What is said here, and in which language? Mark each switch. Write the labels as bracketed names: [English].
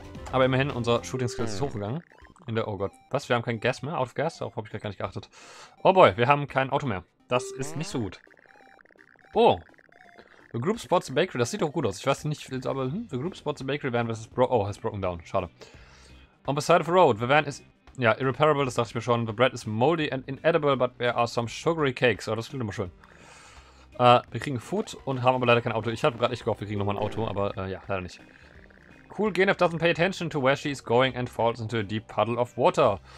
[German] Aber immerhin, unser Shooting Skill ist hochgegangen. In der. Oh Gott, was? Wir haben kein Gas mehr? Out of Gas? Darauf habe ich gerade gar nicht geachtet. Oh boy, wir haben kein Auto mehr. Das ist nicht so gut. Oh! [English] The group spots a bakery. [German] Das sieht doch gut aus. Ich weiß nicht, aber. [English] The group spots a bakery van versus. Oh, it's broken down. Schade. On the side of the road, the van is. Ja, irreparable, [German] das dachte ich mir schon. [English] The bread is moldy and inedible, but there are some sugary cakes. [German] Oh, das klingt immer schön. Wir kriegen Food und haben aber leider kein Auto. Ich habe gerade echt gehofft, wir kriegen nochmal ein Auto, aber ja, leider nicht. [English] Cool, Genev doesn't pay attention to where she is going and falls into a deep puddle of water.